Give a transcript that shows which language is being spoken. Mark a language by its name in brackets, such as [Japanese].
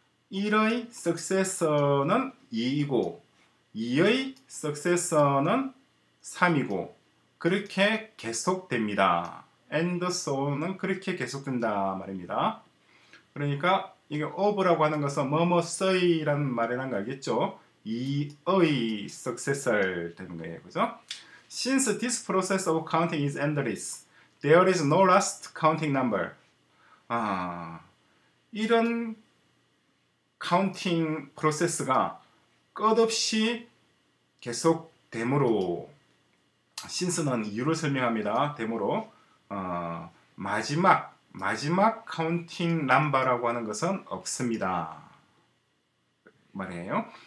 [Korean] 1의 successor는 2이고 2의 successor는 3이고 그렇게 계속됩니다. [English] And so on [Korean] 은 그렇게 계속된다 말입니다. 그러니까 이게 of라고 하는 것은 뭐뭐서의라는 말이란 거 알겠죠? 2의 successor 되는 거예요. 그죠? [English] Since this process of counting is endless, there is no last counting number. [Korean] 아, 이런 카운팅 프로세스가 끝없이 계속되므로 신스는 이유를 설명합니다. 되므로 마지막 카운팅 넘버라고 하는 것은 없습니다. 말이에요.